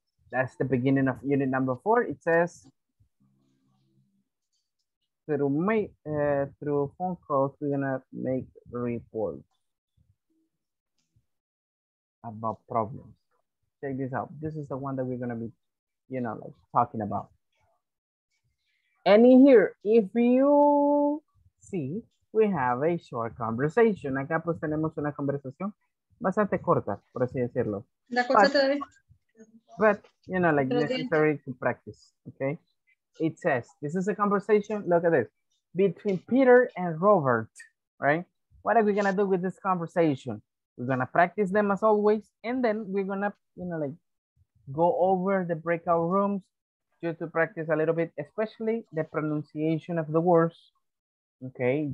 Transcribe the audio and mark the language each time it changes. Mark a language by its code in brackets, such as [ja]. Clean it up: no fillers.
[en] That's the beginning of unit number 4. It says, through phone calls, we're gonna make reports about problems. Check this out. This is the one that we're gonna be, you know, like talking about. And in here, if you see, we have a short conversation. [es] Acá pues tenemos una conversación bastante corta, por así decirlo. [en] But, you know, like necessary to practice, okay? It says, this is a conversation, look at this, between Peter and Robert, right? What are we gonna do with this conversation? We're gonna practice them as always, and then we're gonna, you know, like go over the breakout rooms just to practice a little bit, especially the pronunciation of the words, okay?